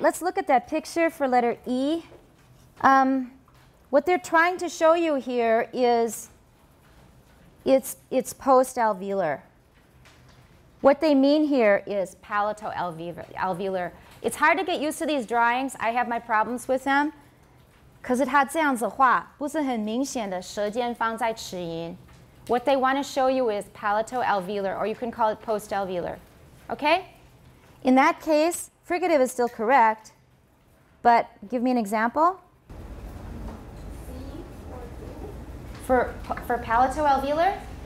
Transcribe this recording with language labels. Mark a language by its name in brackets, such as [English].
[English] Let's look at that picture for letter E. What they're trying to show you here is it's post-alveolar. What they mean here is palato-alveolar. It's hard to get used to these drawings. I have my problems with them. [Chinese] 可是它这样子画不是很明显的舌尖放在齿龈。 [English] What they want to show you is palato-alveolar, or you can call it post-alveolar. Okay? In that case, fricative is still correct, but give me an example. For palato-alveolar?